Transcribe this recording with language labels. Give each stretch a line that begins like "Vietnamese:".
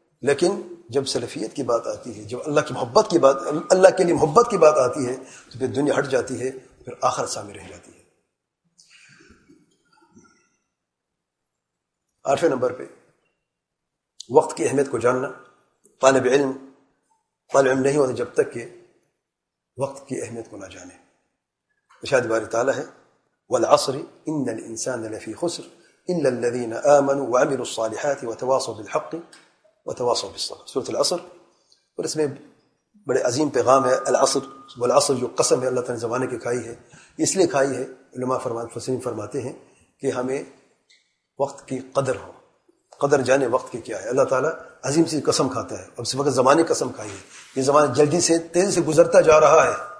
Urdu: لیکن جب سلفیت کی بات آتی ہے, جب اللہ کی محبت کی بات, اللہ کے لیے محبت کی بات آتی ہے, تو پھر دنیا ہٹ جاتی ہے, پھر آخر سامنے رہ جاتی ہے. آٹھویں نمبر پہ وقت کی اہمیت کو جاننا. طالب علم نہیں ہوتا جب تک کہ وقت کی اہمیت کو نہ جانے. ارشاد باری تعالیٰ ہے,
Arabic: والعصر ان الانسان لفی خسر الا الذين امنوا وعملوا الصالحات وتواصوا بالحق وتواصوا بالصبر.
Urdu: سورۃ العصر, اور اس میں بڑے عظیم پیغام ہے. العصر, والعصر جو قسم ہے اللہ تعالیٰ نے زمانے کی کھائی ہے, اس لیے کھائی ہے, علماء فسرین فرماتے ہیں کہ ہمیں وقت کی قدر ہو, قدر جانے وقت کی کیا ہے. اللہ تعالیٰ عظیم سی قسم کھاتا ہے, اب اس وقت زمانے قسم کھائی ہے, یہ زمانہ جلدی سے تیزی سے گزرتا جا رہا ہے.